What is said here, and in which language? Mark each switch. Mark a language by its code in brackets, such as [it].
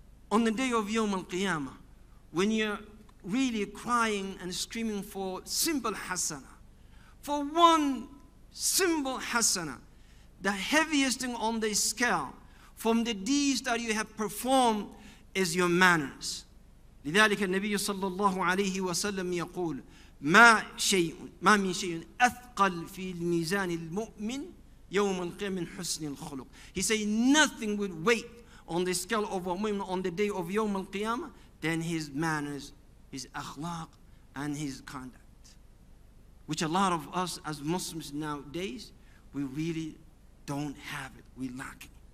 [en] On the day of Yawm al-Qiyamah, when you're really crying and screaming for simple hasana, for one simple hasana, the heaviest thing on the scale from the deeds that you have performed is your manners. [ar] لذلك النبي صلى الله عليه وسلم يقول ما من شيء أثقل في الميزان المؤمن يوم القيامة من حسن الخلق. [en] He say nothing will weigh on the scale of a mu'min on the day of يوم القيامة than his manners, his akhlaq, and his conduct. Which a lot of us as Muslims nowadays, we really don't have it. We lack it.